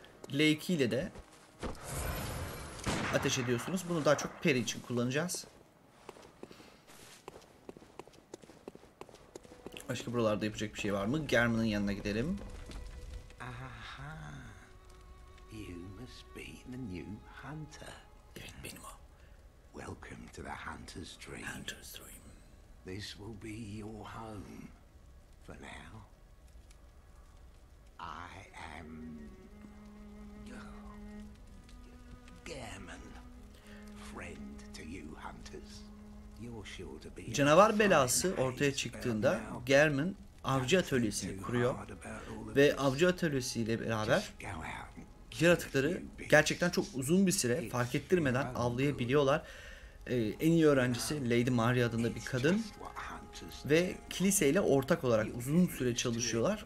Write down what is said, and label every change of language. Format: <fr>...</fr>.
<tr>L2 ile de ateş ediyorsunuz. Bunu daha çok peri için kullanacağız. Başka buralarda yapacak bir şey var mı? German'ın yanına gidelim. Aha.</tr> <en>You must be the new hunter.</en> <tr>Evet, benim o.</tr> <en>Welcome to the Hunter's Dream. Hunter's Dream. This will be your home for now. I am German, friend to you hunters. You're sure to be.</en> <tr>Canavar belası ortaya çıktığında German avcı atölyesini kuruyor ve avcı atölyesiyle beraber yaratıkları gerçekten çok uzun bir süre fark ettirmeden avlayabiliyorlar. En iyi öğrencisi Lady Maria adında bir kadın ve kiliseyle ortak olarak uzun süre çalışıyorlar.</tr>